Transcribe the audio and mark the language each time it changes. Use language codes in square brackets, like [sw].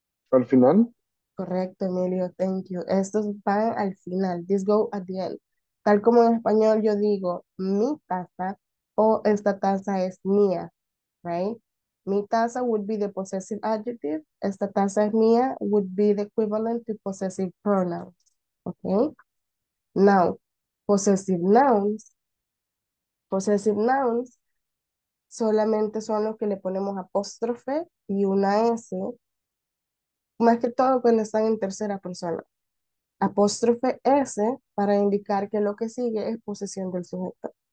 [es] Al final. Correcto, Emilio. [en] Thank you. [es] Estos van al final. [en] This go at the end. [es] Tal como en español yo digo, mi taza o esta taza es mía. [en] Right? [es] Mi taza [en] would be the possessive adjective. [es] Esta taza es mía [en] would be the equivalent to possessive pronouns. Okay? Now, possessive nouns [es] solamente son los que le ponemos apóstrofe y una S, más que todo cuando están en tercera persona. Apóstrofe S para indicar que lo que sigue es posesión del sujeto.